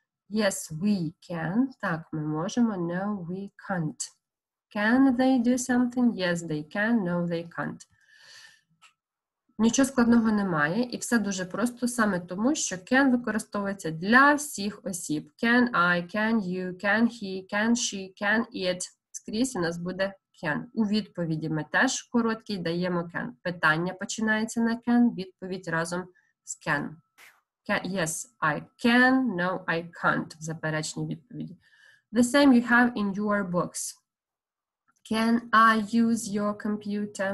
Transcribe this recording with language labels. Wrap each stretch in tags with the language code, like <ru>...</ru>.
<en>Yes, we can.</en> <uk>Так, ми можемо.</uk> <en>No, we can't. Can they do something? Yes, they can. No, they can't.</en> <uk>Нічого складного немає, і все дуже просто саме тому, що can використовується для всіх осіб.</uk> <en>Can I, can you, can he, can she, can it.</en> <uk>Скрізь у нас буде can. У відповіді ми теж короткий даємо can. Питання починається на can, відповідь разом з can.</uk> <en>Yes, I can. No, I can't.</en> <uk>В заперечній відповіді.</uk> <en>The same you have in your books. Can I use your computer?</en>